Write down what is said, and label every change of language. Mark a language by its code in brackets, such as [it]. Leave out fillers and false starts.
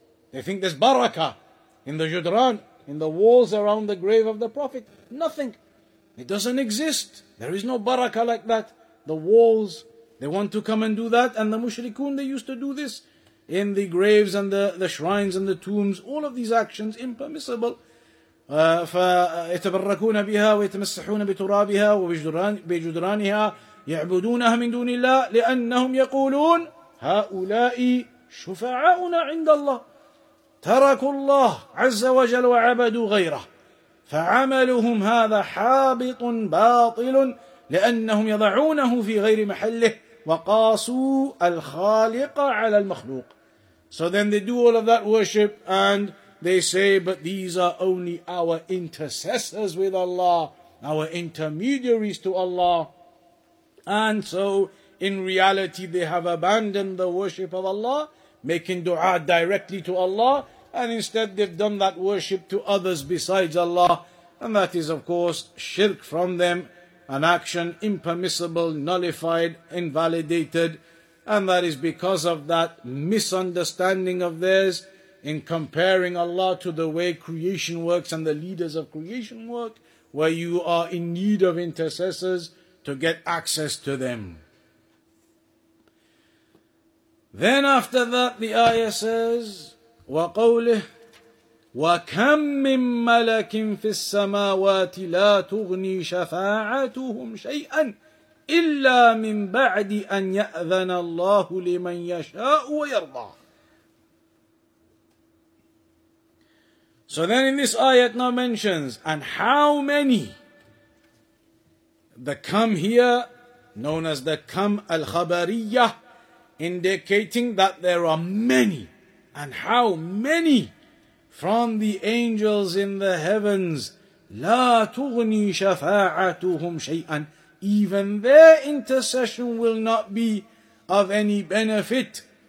[en] They think there's barakah in the judran, in the walls around the grave of the Prophet. Nothing. It doesn't exist. There is no barakah like that. The walls, they want to come and do that. And the mushrikun, they used to do this in the graves and the shrines and the tombs. All of these actions, impermissible. [ar] فَيَتَبَرَّكُونَ بِهَا وَيَتَمَسَّحُونَ بِتُرَابِهَا وَبِجُدْرَانِهَا يَعْبُدُونَهَا مِنْ دُونِ اللَّهِ لِأَنَّهُمْ يَقُولُونَ هَؤُلَاءِ شُفَعَاؤُنَا عِنْدَ اللَّهِ تركوا الله عز وجل وعبدوا غيره فعملهم هذا حابط باطل لأنهم يضعونه في غير محله وقاسوا الخالق على المخلوق. [en] So then they do all of that worship and they say, but these are only our intercessors with Allah, our intermediaries to Allah. And so in reality they have abandoned the worship of Allah, making dua directly to Allah. And instead they've done that worship to others besides Allah. And that is, of course, shirk from them. An action impermissible, nullified, invalidated. And that is because of that misunderstanding of theirs in comparing Allah to the way creation works and the leaders of creation work, where you are in need of intercessors to get access to them. Then after that, the ayah says, [ar] وقوله وكم من ملك في السماوات لا تغني شفاعتهم شيئا إلا من بعد أن يأذن الله لمن يشاء ويرضى. [en] So then in this ayat now mentions, and how many, the come here known as the come al-khabariyya, indicating that there are many. And how many from the angels in the heavens, [ar] لا تغني شفاعتهم شيئا, [en] even their intercession will not be of any benefit,